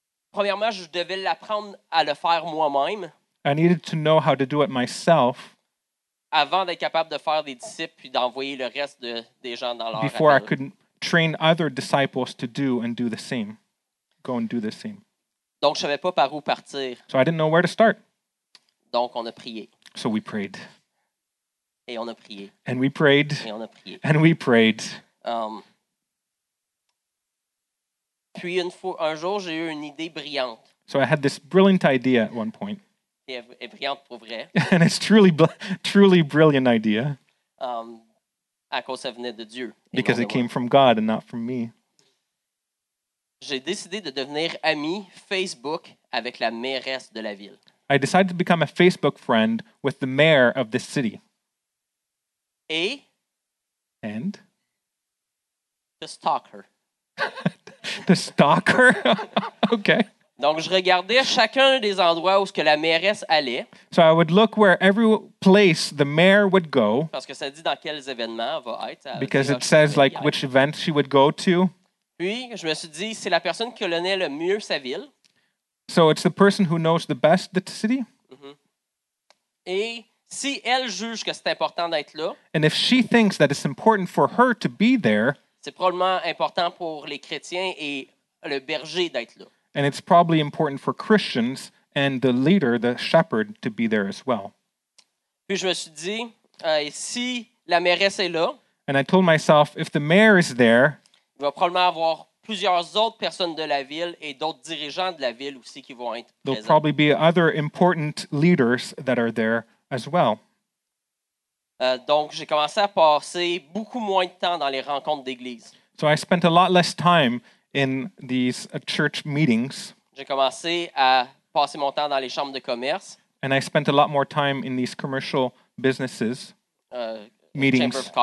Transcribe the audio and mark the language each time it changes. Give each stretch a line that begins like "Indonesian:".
French: Premièrement, je devais l'apprendre à le faire moi-même.
English: I needed to know how to do it myself.
French: Avant d'être capable de faire des disciples puis d'envoyer le reste des gens dans leur.
English: Before I could train other disciples to do and do the same, go and do the same.
French: Donc, je ne savais pas par où partir.
English: So I didn't know where to start.
French: Donc, on a prié.
English: So we prayed.
French: Et on a prié.
English: And we prayed.
French: Et on a prié.
English: And we prayed.
French: Puis un jour, j'ai eu une idée brillante.
English: So I had this brilliant idea at one point.
French: Et brillante pour vrai.
English: And it's truly, truly brilliant idea.
French: À cause ça venait de Dieu.
English: Because it came from God and not from me.
French: J'ai décidé de devenir ami Facebook avec la mairesse de la ville.
English: I decided to become a Facebook friend with the mayor of this city.
French: Et?
English: And? To stalk her. To stalk her? Okay.
French: Donc, je regardais chacun des endroits où ce que la mairesse allait.
English: So I would look where every place the mayor would go.
French: Parce que ça dit dans quels événements elle va être.
English: Because it says like which event she would go to.
French: Puis, je me suis dit, c'est la personne qui connaît le mieux sa ville.
English: So it's the person who knows the best the city. Mm-hmm.
French: Et si elle juge que c'est important d'être là.
English: And if she thinks that it's important for her to be there.
French: C'est probablement important pour les chrétiens et le berger d'être là.
English: And it's probably important for Christians and the leader, the shepherd, to be there as well.
French: Puis je me suis dit, si la mairesse est là.
English: And I told myself, if the mayor is there.
French: Il va probablement avoir plusieurs autres personnes de la ville et d'autres dirigeants de la ville aussi qui vont être présents.
English: There'll probably be other important leaders that are there as well.
French: Donc, j'ai commencé à passer beaucoup moins de temps dans les rencontres d'église.
English: So I spent a lot less time in these church meetings.
French: J'ai commencé à passer mon temps dans les chambres de commerce.
English: And I spent a lot more time in these commercial businesses, meetings,